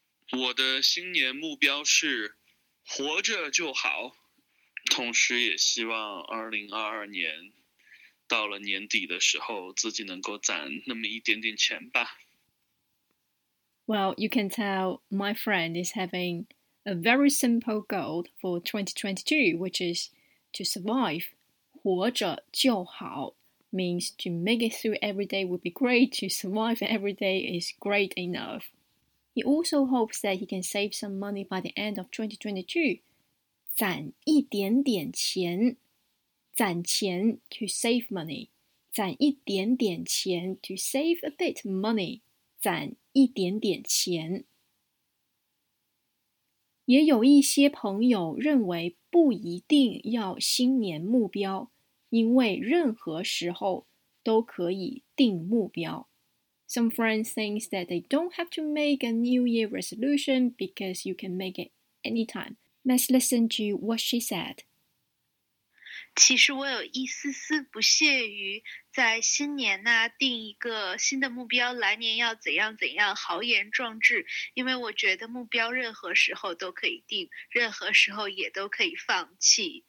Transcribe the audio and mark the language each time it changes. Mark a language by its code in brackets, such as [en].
[zh] 我的新年目标是活着就好，同时也希望2022年到了年底的时候自己能够攒那么一点点钱吧。 [en] Well, you can tell my friend is having a very simple goal for 2022, which is... To survive, [zh] 活着就好 [en] means to make it through every day would be great, to survive every day is great enough. He also hopes that he can save some money by the end of 2022. [zh] 攒一点点钱，攒钱 [en] to save money. [zh] 攒一点点钱 [en] to save a bit money. [zh] 攒一点点钱。也有一些朋友认为不一定要新年目标，因为任何时候都可以定目标。 [en] Some friends think that they don't have to make a New Year resolution because you can make it anytime. Let's listen to what she said. [zh] 其实我有一丝丝不屑于在新年呢定一个新的目标，来年要怎样怎样，豪言壮志。因为我觉得目标任何时候都可以定，任何时候也都可以放弃。